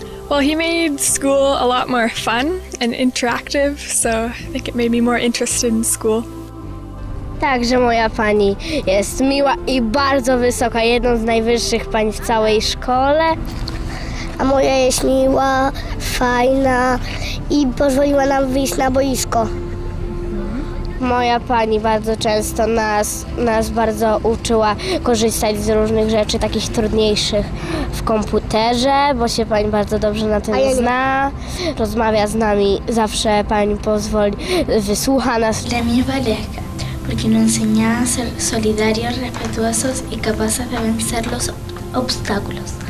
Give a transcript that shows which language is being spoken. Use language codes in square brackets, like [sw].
[en] Well, he made school a lot more fun and interactive, so I think it made me more interested in school. [pl] Także moja pani jest miła i bardzo wysoka, jedną z najwyższych pań w całej szkole. A moja jest miła, fajna i pozwoliła nam wyjść na boisko. Moja pani bardzo często nas bardzo uczyła korzystać z różnych rzeczy takich trudniejszych w komputerze, bo się pani bardzo dobrze na tym zna. Rozmawia z nami, zawsze pani pozwoli, wysłucha nas. Dla mnie [es] pareja, porque nos enseña a ser solidarios, respetuosos y capaces de vencer los obstáculos.